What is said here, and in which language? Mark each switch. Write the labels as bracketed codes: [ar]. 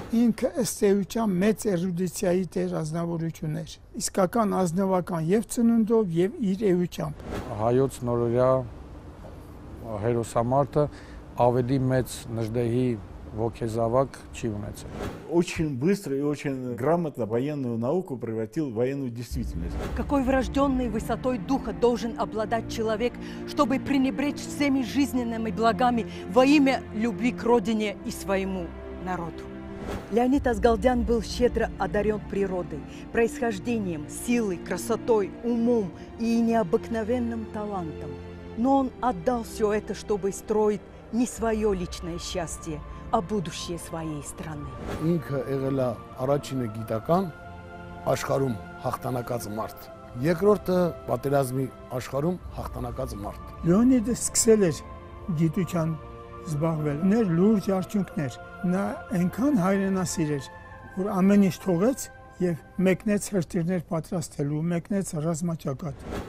[hy] Ինքը ըստ էության մեծ էրուդիցիայի տեր ազնվորություն էր, իսկական ազնվական և ծնունդով և իր էությամբ։ Հայոց նորօրյա հերոսամարտը ավելի մեծ նժդեհի ոգեզավակ չի ունեցել։ [ru] Очень быстро и очень грамотно военную науку превратил в военную действительность. Какой врожденной высотой духа должен обладать человек, чтобы пренебречь всеми жизненными благами во имя любви к родине и своему народу? Леонид Ազգալդյան был щедро одарен природой, происхождением, силой, красотой, умом и необыкновенным талантом. Но он отдал все это, чтобы строить не свое личное счастье, а будущее своей страны. [hy] Ինքը եղել է առաջինը գիտական աշխարհում հաղթանակած մարդ, երկրորդը պատերազմի աշխարհում հաղթանակած մարդ։ Լեոնիդը սկսել էր գիտության զբաղվել, ներ լուրջ արդյունքներ, նա այնքան հայրենասիր էր, որ ամեն ինչ թողեց և մեկնեց հրթիռներ պատրաստելու, մեկնեց ռազմաճակատ։